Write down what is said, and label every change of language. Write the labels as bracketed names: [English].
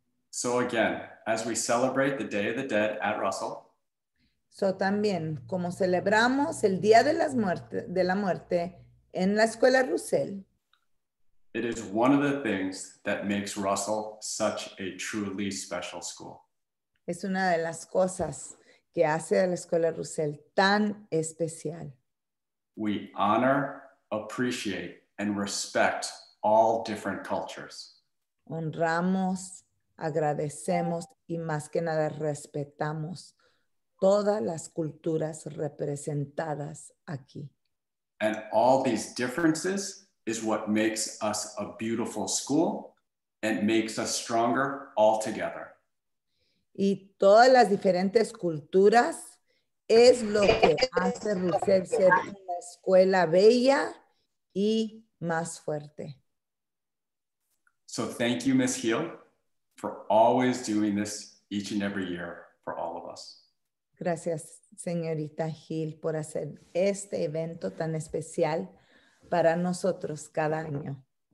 [English] So again, as we celebrate the Day of the Dead at Russell. [Spanish] So también, como celebramos el Día de las Muertes, de la Muerte, en la Escuela Russell. [English] It is one of the things that makes Russell such a truly special school. [Spanish] Es una de las cosas que hace a la Escuela Russell tan especial. [English] We honor, appreciate, and respect all different cultures. [Spanish] Honramos, agradecemos, y más que nada respetamos todas las culturas representadas aquí. [English] And all these differences is what makes us a beautiful school and makes us stronger all together. [Spanish] Y todas las diferentes culturas es lo que hace Russell ser una escuela bella y más fuerte. [English] So thank you, Ms. Hill, for always doing this each and every year for all of us. [Spanish] Gracias, señorita Hill, por hacer este evento tan especial para nosotros cada año.